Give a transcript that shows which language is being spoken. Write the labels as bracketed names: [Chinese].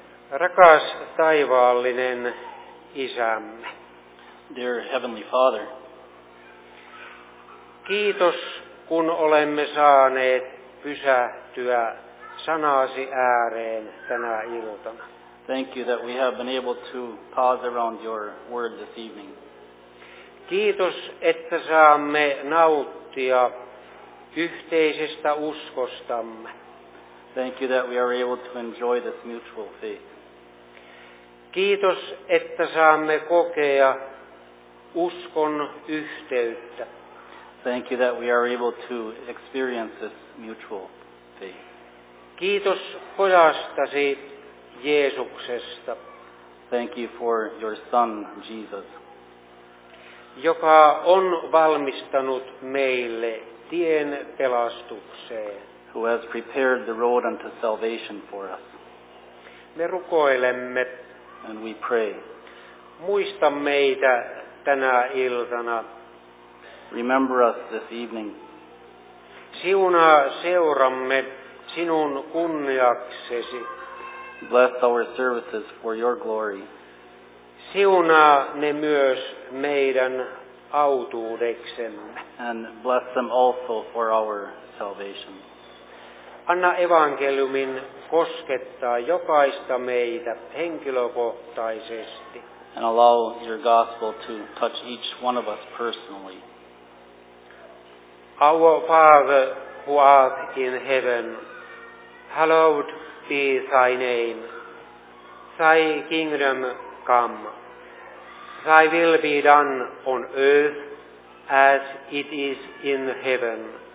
[Finnish] Rakas taivaallinen Isämme. [English] Dear Heavenly Father. [Finnish] Kiitos, kun olemme saaneet pysähtyä sanasi ääreen tänä iltana. [English] Thank you that we have been able to pause around your word this evening. [Finnish] Kiitos, että saamme nauttia yhteisestä uskostamme. [English] Thank you that we are able to enjoy this mutual faith. [Finnish] Kiitos, että saamme kokea uskon yhteyttä. [English] Thank you that we are able to experience this mutual faith. [Finnish] Kiitos pojastasi Jeesuksesta. [English] Thank you for your son Jesus. [Finnish] Joka on valmistanut meille tien pelastukseen. [English] Who has prepared the road unto salvation for us. [Finnish] Me rukoilemme. [English] And we pray. [Finnish] Muista meitä tänä iltana. [English] Remember us this evening. [Finnish] Siunaa seuramme sinun kunniaksesi. [English] Bless our services for your glory. [Finnish] Siunaa ne myös meidän autuudeksemme. [English] And bless them also for our salvation. [Finnish] Anna evankeliumin koskettaa jokaista meitä henkilökohtaisesti. [English] And allow your gospel to touch each one of us personally. Our Father who art in heaven, hallowed be thy name. Thy kingdom come. Thy will be done on earth as it is in heaven.